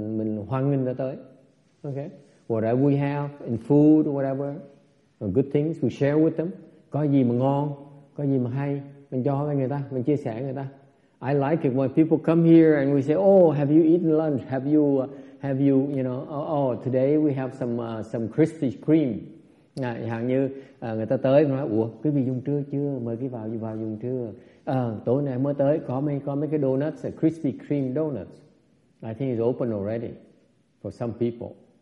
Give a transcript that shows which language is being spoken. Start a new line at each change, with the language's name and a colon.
Vietnamese: Mình hoan nghênh người tới.
English: Okay, whatever we have in food, whatever good things, we share with them.
Vietnamese: Có gì mà ngon, có gì mà hay, mình cho người ta, mình chia sẻ người ta.
English: I like it when people come here and we say, "Oh, have you eaten lunch? Have you, today we have some Krispy Kreme."
Vietnamese: Hàng như người ta tới nói, "Ủa, quý vị dùng trưa chưa? Mời quý vào vào dùng trưa." Tối nay mới tới, có mấy cái donuts, Krispy Kreme donuts.
English: I think it's open already. For some people,